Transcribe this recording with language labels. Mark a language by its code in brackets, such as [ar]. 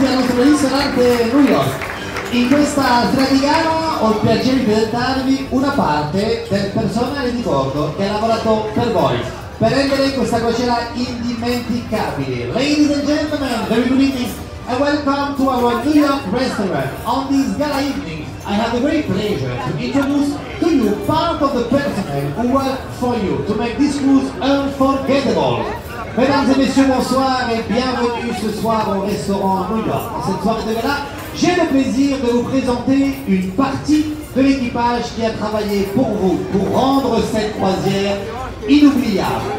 [it] In questa Tradigana ho il piacere di dettarvi una parte del personale di bordo che ha lavorato per voi per rendere questa crociera indimenticabile. [en] Ladies and gentlemen, very good evening and welcome to our New York restaurant. On this gala evening, I have the great pleasure to introduce to you part of the personnel who work for you to make this cruise unforgettable. [fr] Mesdames et messieurs, bonsoir et bienvenue ce soir au restaurant New York. Cette soirée de gala, j'ai le plaisir de vous présenter une partie de l'équipage qui a travaillé pour vous, pour rendre cette croisière inoubliable.